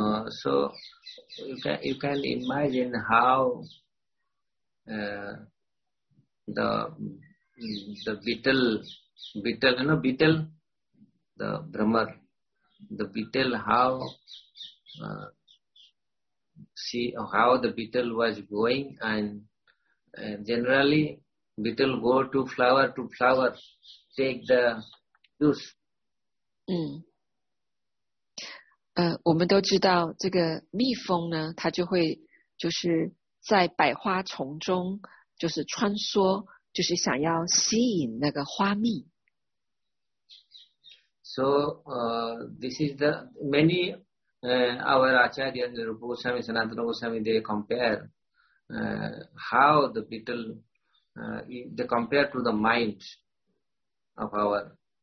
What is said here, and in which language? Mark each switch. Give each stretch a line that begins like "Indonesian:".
English: So you can imagine how the beetle, you know, beetle, the Brahmar, the beetle, how the beetle was going, and generally beetle go to flower, take the juice.
Chinese: 我们都知道这个蜜蜂呢，它就会就是在百花丛中就是穿梭，就是想要吸引那个花蜜。
English: So, this is the many our Acharya Rupa Goswami, Sanatana Goswami, they compare how the beetle, they compare to the mind of our.